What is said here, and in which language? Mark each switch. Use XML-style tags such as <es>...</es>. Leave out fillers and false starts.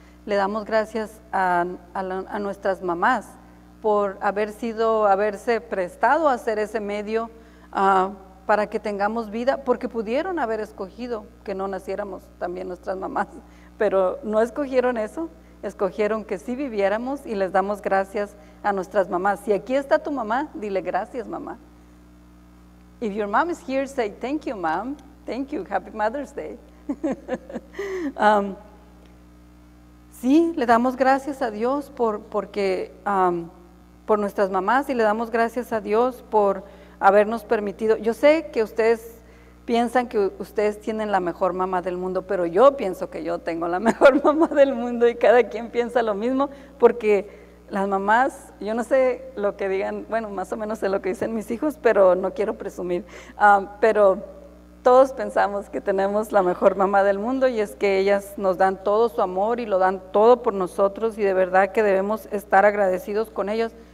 <es>Le damos gracias a nuestras mamás por haberse prestado a ser ese medio para que tengamos vida, porque pudieron haber escogido que no naciéramos también nuestras mamás, pero no escogieron eso, escogieron que sí viviéramos. Y les damos gracias a nuestras mamás. Si aquí está tu mamá, dile gracias, mamá.</es> <en>If your mom is here, say thank you, mom. Thank you, happy Mother's Day.</en> <es>Sí, le damos gracias a Dios por nuestras mamás, y le damos gracias a Dios por habernos permitido. Yo sé que ustedes piensan que ustedes tienen la mejor mamá del mundo, pero yo pienso que yo tengo la mejor mamá del mundo, y cada quien piensa lo mismo, porque las mamás, yo no sé lo que digan, bueno, más o menos sé lo que dicen mis hijos, pero no quiero presumir, pero todos pensamos que tenemos la mejor mamá del mundo, y es que ellas nos dan todo su amor y lo dan todo por nosotros, y de verdad que debemos estar agradecidos con ellos.</es>